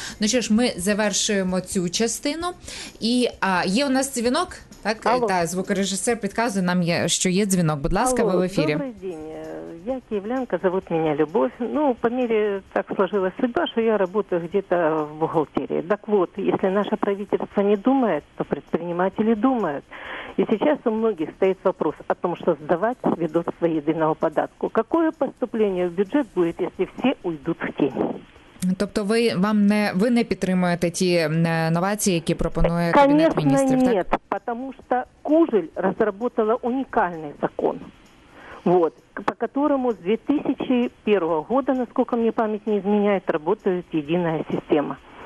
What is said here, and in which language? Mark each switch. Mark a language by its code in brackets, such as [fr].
[uk] Ну що ж, ми завершуємо цю частину. І є у нас дзвінок? Так, та, звукорежисер підказує нам, що є дзвінок. Будь ласка, Алло, ви в ефірі. Добрий день. Я київлянка, зовут мене Любов. Ну, по мірі так сложилася судьба, що я працюю десь в бухгалтерії. Так от, якщо наша [ru] правительство правительство не думает, то предприниматели думают. И сейчас у многих стоит вопрос о том, что сдавать ведомство единого податку. Какое поступление в бюджет будет, если все уйдут в тень? [uk] Тобто ви не підтримуєте ті новації, які пропонує Кабінет міністрів? Звісно, ні, тому що Кужель розробила унікальний закон, [ru] вот, по которому [uk] з 2001 року, наскільки мені пам'ять не змінює, працює єдина система.